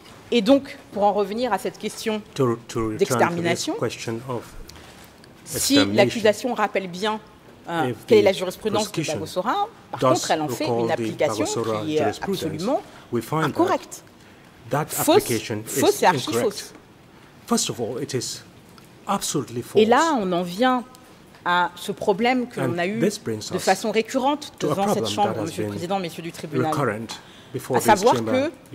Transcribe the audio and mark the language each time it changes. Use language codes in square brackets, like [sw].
[fr] Et donc, pour en revenir à cette question d'extermination, si l'accusation rappelle bien quelle est la jurisprudence de Bagosora, par contre, elle en fait une application qui est absolument incorrecte. Fausse et archi-fausse. [en] First of all, it is absolutely false. [fr] Et là, on en vient à ce problème que l'on a eu de façon récurrente devant cette chambre, Monsieur le Président, Messieurs du Tribunal, à savoir que